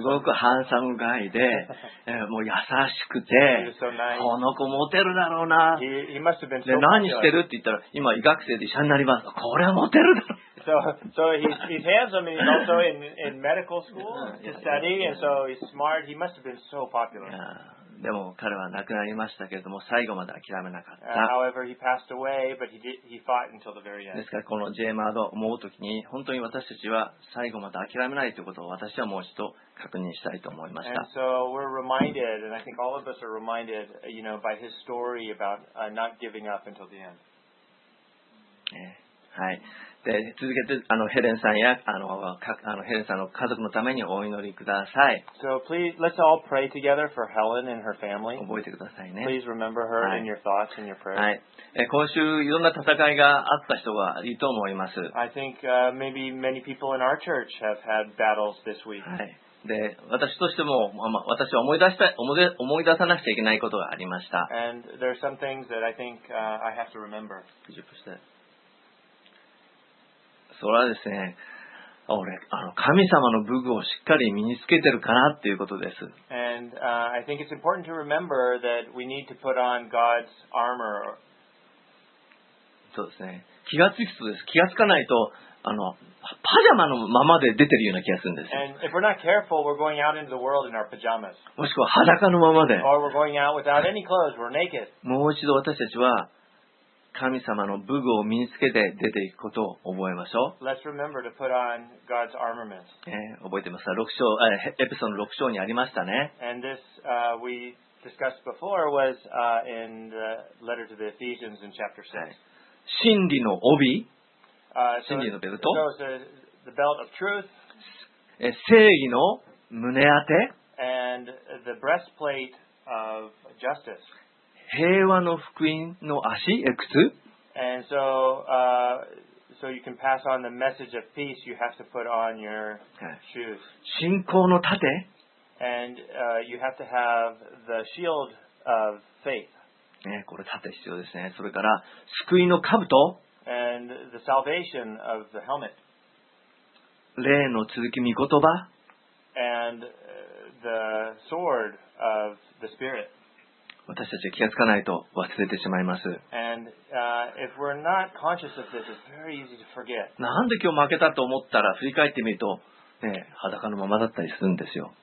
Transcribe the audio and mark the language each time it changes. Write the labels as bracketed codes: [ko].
[ja] すごくハンサムガイで、もう優しくて、 [en] so nice. [ja] この子モテるだろうな。 [en] He must have been so [ja] で、何してるって言ったら、今医学生で医者になります。これはモテるだろう。 [en] So he's handsome and he's also in medical school to study and so he's smart. He must have been so popular. [ja] でも彼は亡くなりましたけれども最後まで諦めなかった。 [en] However, he passed away, but he fought until the very end. [ja] ですからこのジェームズを思うときに本当に私たちは最後まで諦めないということを私はもう一度確認したいと思いました。 [en] And so we're reminded, and I think all of us are reminded, you know, by his story about not giving up until the end. [ja] はい。で続けてヘレンさんやヘレンさんの家族のためにお祈りください。 [en] So please, let's all pray together for Helen and her family. [ja] 覚えてくださいね。 [en] Please remember her in your thoughts and your prayers. [ja] はい。今週いろんな戦いがあった人がいると思います。 [en] I think maybe many people in our church have had battles this week. [ja] はい。で私としても、まあ、私は思い出さなくちゃいけないことがありました。 [en] And there are some things that I think I have to remember. [ja] それはですね、俺神様の武具をしっかり身につけてるかなっていうことです。 [en] And, I think it's important to remember that we need to put on God's armor. [ja] そうですね。気がつくとです。気がつかないとパジャマのままで出てるような気がするんです。 [en] And if we're not careful, we're going out into the world in our pajamas. [ja] もしくは裸のままで。 [en] Or we're going out without any clothes. We're naked. [ja] もう一度私たちは神様の武具を身につけて出ていくことを覚えましょう。 [en] Let's remember to put on God's armament. [ja] 覚えてますか？ 6章、エペソの6章にありましたね。 [en] And this, we discussed before was, in the letter to the Ephesians in chapter 6. [ja] 真理の帯、真理のベルト、 [en] the belt of truth, [ja] 正義の胸当て、 [en] and the breastplate of justice. [ja] 平和の福音の足、靴。 [en] And so, so you can pass on the message of peace, you have to put on your shoes. [ja] 信仰の盾。 [en] And, you have to have the shield of faith. [ja] これ盾必要ですね。それから、救いの兜。 [en] And the salvation of the helmet. [ja] 霊の続き、御言葉。 [en] And the sword of the spirit. [ja] 私たちは気がつかないと忘れてしまいます。 [en] And, if we're not conscious of this, it's very easy to forget. [ja] なんで今日負けたと思ったら振り返ってみると、ね、裸のままだったりするんですよ。